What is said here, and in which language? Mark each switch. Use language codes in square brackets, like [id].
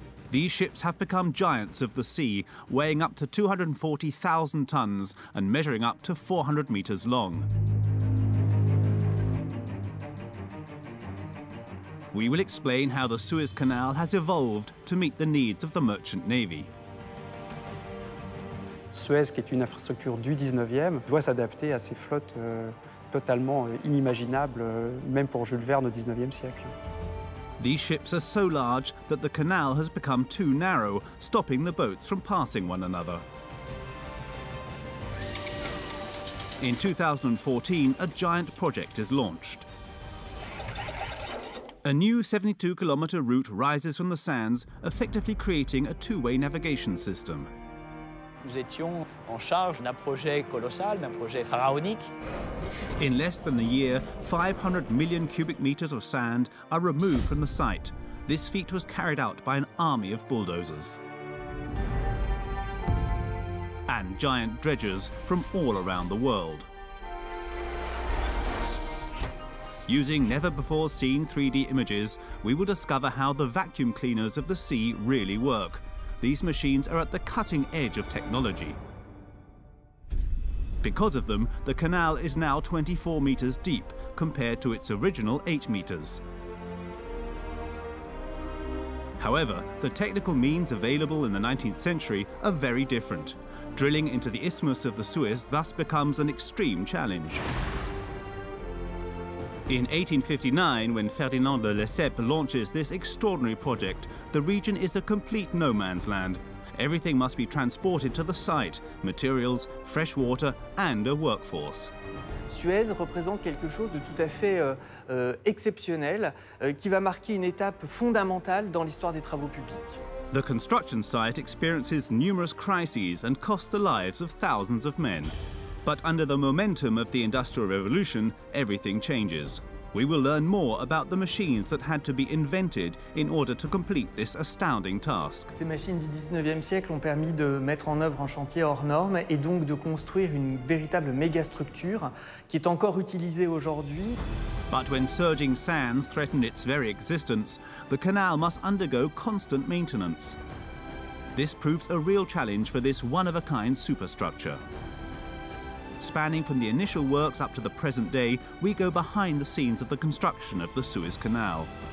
[en] These ships have become giants of the sea, weighing up to 240,000 tons and measuring up to 400 meters long. We will explain how the Suez Canal has evolved to meet the needs of the merchant navy. [fr] Suez, qui est une infrastructure du 19e, doit s'adapter à ces flottes totalement inimaginable, même pour Jules Verne au 19e siècle. [en] These ships are so large that the canal has become too narrow, stopping the boats from passing one another. In 2014, a giant project is launched. A new 72-kilometer route rises from the sands, effectively creating a two-way navigation system. [fr] nous étions en charge d'un projet colossal, d'un projet pharaonique. [en] In less than a year, 500 million cubic meters of sand are removed from the site. This feat was carried out by an army of bulldozers and giant dredgers from all around the world. Using never-before-seen 3D images, we will discover how the vacuum cleaners of the sea really work. These machines are at the cutting edge of technology. Because of them, the canal is now 24 meters deep, compared to its original 8 meters. However, the technical means available in the 19th century are very different. Drilling into the isthmus of the Suez thus becomes an extreme challenge. In 1859, when Ferdinand de Lesseps launches this extraordinary project, the region is a complete no man's land. Everything must be transported to the site: materials, fresh water, and a workforce. [fr] Suez représente quelque chose de tout à fait exceptionnel qui va marquer une étape fondamentale dans l'histoire des travaux publics. [en] The construction site experiences numerous crises and costs the lives of thousands of men. But under the momentum of the Industrial Revolution, everything changes. We will learn more about the machines that had to be invented in order to complete this astounding task. [fr] Ces machines du 19e siècle ont permis de mettre en œuvre un chantier hors norme et donc de construire une véritable mégastructure qui est encore utilisée aujourd'hui. [en] But when surging sands threaten its very existence, the canal must undergo constant maintenance. This proves a real challenge for this one-of-a-kind superstructure. Spanning from the initial works up to the present day, we go behind the scenes of the construction of the Suez Canal.